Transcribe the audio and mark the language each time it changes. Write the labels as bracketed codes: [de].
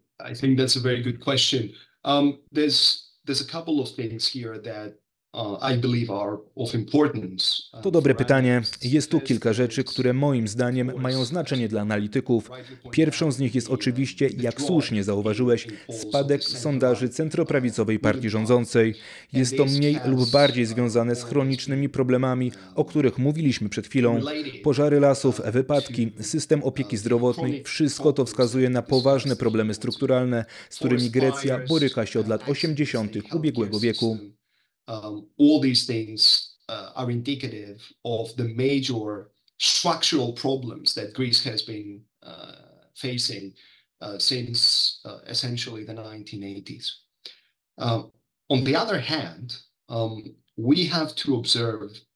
[en] I think that's a very good question. There's a couple of things here that I believe are of importance. [pl] To dobre pytanie. Jest tu kilka rzeczy, które moim zdaniem mają znaczenie dla analityków. Pierwszą z nich jest oczywiście, jak słusznie zauważyłeś, spadek sondaży centroprawicowej partii rządzącej. Jest to mniej lub bardziej związane z chronicznymi problemami, o których mówiliśmy przed chwilą. Pożary lasów, wypadki, system opieki zdrowotnej, wszystko to wskazuje na poważne problemy strukturalne, z którymi Grecja boryka się od lat 80. ubiegłego wieku. [en] All these things are indicative of the major structural problems that Greece has been facing since essentially the 1980s. On the other hand, we have to observe